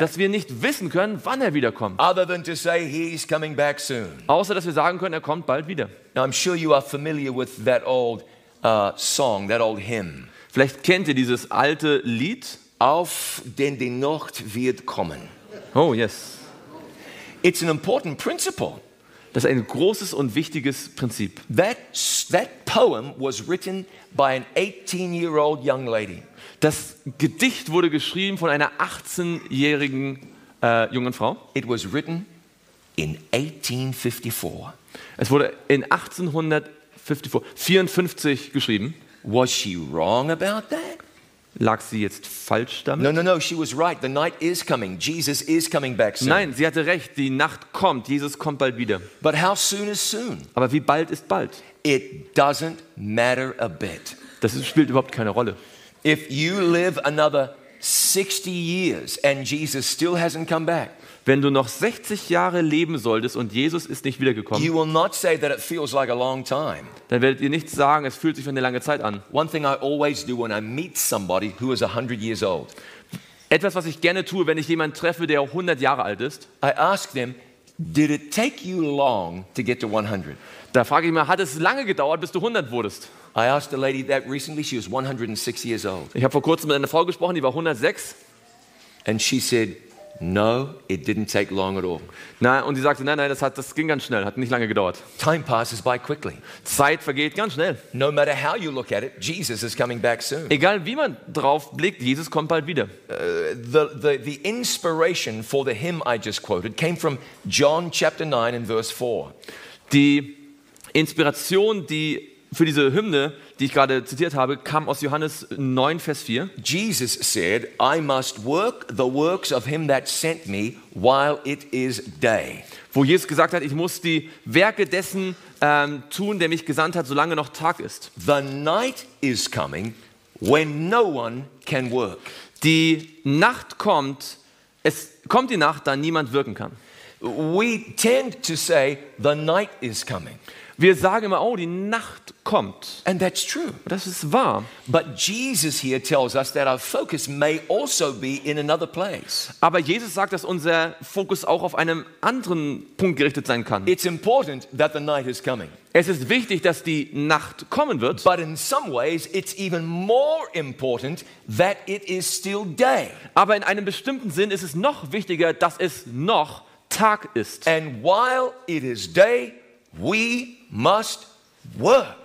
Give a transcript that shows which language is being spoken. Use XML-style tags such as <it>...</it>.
<de>Dass wir nicht wissen können, wann er wiederkommt.</de> <en>Other than to say he's coming back soon.</en> <de>Außer dass wir sagen können, er kommt bald wieder.</de> <en>Now I'm sure you are familiar with that old song, that old hymn.</en> <de>Vielleicht kennt ihr dieses alte Lied. Auf, denn die Nacht wird kommen.</de> <en>Oh, yes. It's an important principle.</en> <de>Das ist ein großes und wichtiges Prinzip.</de> <en>That poem was written by an 18-year-old young lady.</en> <de>Das Gedicht wurde geschrieben von einer 18-jährigen jungen Frau.</de> <en>It was written in 1854.</en> <de>Es wurde in 1854 geschrieben.</de> <en>Was she wrong about that?</en> <de>Lag sie jetzt falsch damit?</de> <en>No, she was right. The night is coming. Jesus is coming back soon.</en> <de>Nein, sie hatte recht. Die Nacht kommt. Jesus kommt bald wieder.</de> <en>But how soon is soon?</en> <de>Aber wie bald ist bald?</de> <en>It doesn't matter a bit.</en> <de>Das spielt überhaupt keine Rolle.</de> <en>If you live another 60 years and Jesus still hasn't come back.</en> <de>wenn du noch 60 Jahre leben solltest und Jesus ist nicht wiedergekommen,</de> <en>you will not say that it feels like a long time.</en> <de>Dann werdet ihr nicht sagen, es fühlt sich wie eine lange Zeit an.</de> <en>One thing I always do when I meet somebody who is 100 years old.</en> <de>Etwas, was ich gerne tue, wenn ich jemanden treffe, der 100 Jahre alt ist.</de> <en>I ask them, did it take you long to get to 100?</en> <de>Da frage ich mal, hat es lange gedauert, bis du 100 wurdest?</de> <en>I asked a lady that recently, she was 106 years old.</en> <de>Ich habe vor kurzem mit einer Frau gesprochen, die war 106.</de> <en>And she said, no, it didn't take long at all.</en> <de>Nein, und sie sagte, nein, das ging ganz schnell, hat nicht lange gedauert.</de> <en>Time passes by quickly.</en> <de>Zeit vergeht ganz schnell.</de> <en>No matter how you look at it, Jesus is coming back soon.</en> <de>Egal wie man drauf blickt, Jesus kommt bald wieder.</de> <en>The inspiration for the hymn I just quoted came from John chapter 9 and verse 4.</en> <de>Die Inspiration, die für diese Hymne, die ich gerade zitiert habe, kam aus Johannes 9, Vers 4.</de> <en>Jesus said, I must work the works of him that sent me while it is day.</en> <de>Wo Jesus gesagt hat, ich muss die Werke dessen tun, der mich gesandt hat, solange noch Tag ist.</de> <en>The night is coming when no one can work.</en> <de>Die Nacht kommt, es kommt die Nacht, da niemand wirken kann.</de> <en>We tend to say, the night is coming.</en> <de>Wir sagen immer, oh, die Nacht kommt.</de> <en>And that's true.</en> <de>Das ist wahr.</de> <en>But Jesus here tells us that our focus may also be in another place.</en> <de>Aber Jesus sagt, dass unser Fokus auch auf einem anderen Punkt gerichtet sein kann.</de> <en>It's important that the night is coming.</en> <de>Es ist wichtig, dass die Nacht kommen wird.</de> <en>But in some ways it's even more important that it is still day.</en> <de>Aber in einem bestimmten Sinn ist es noch wichtiger, dass es noch Tag ist.</de> <en>And while it is day, we must work.</en>